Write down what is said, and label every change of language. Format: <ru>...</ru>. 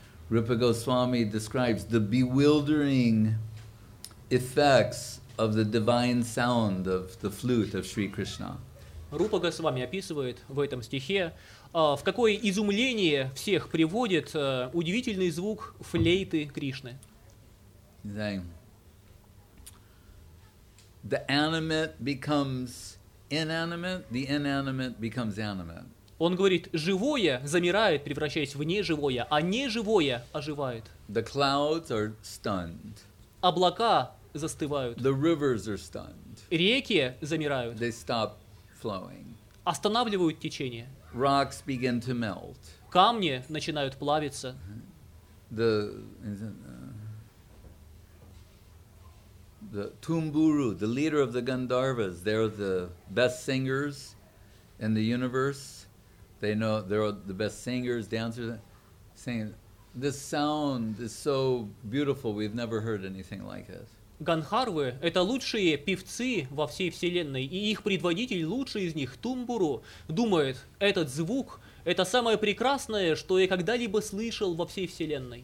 <en>Rupa Goswami describes the bewildering effects of the divine sound of the flute of Sri Krishna.</en> <ru>Rupa Goswami описывает в этом стихе, в какое изумление всех приводит удивительный звук флейты Кришны.</ru> <en>The animate becomes inanimate, the inanimate becomes animate.</en> <ru>Он говорит, живое замирает, превращаясь в неживое, а неживое оживает.</ru> <en>The clouds are stunned.</en> <ru>Облака застывают.</ru> <en>The rivers are stunned.</en> <ru>Реки замирают.</ru> <en>They stop flowing.</en> <ru>Останавливают течение.</ru> <en>Rocks begin to melt.</en> <ru>Камни начинают плавиться.</ru> <en>The Tumburu, the leader of the Gandharvas, they're the best singers in the universe. They know they're the best singers, dancers, saying, this sound is so beautiful, we've never heard anything like it.</en> <ru>Гандхарвы — это лучшие певцы во всей Вселенной, и их предводитель, лучший из них, Тумбуру, думает, этот звук — это самое прекрасное, что я когда-либо слышал во всей Вселенной.</ru>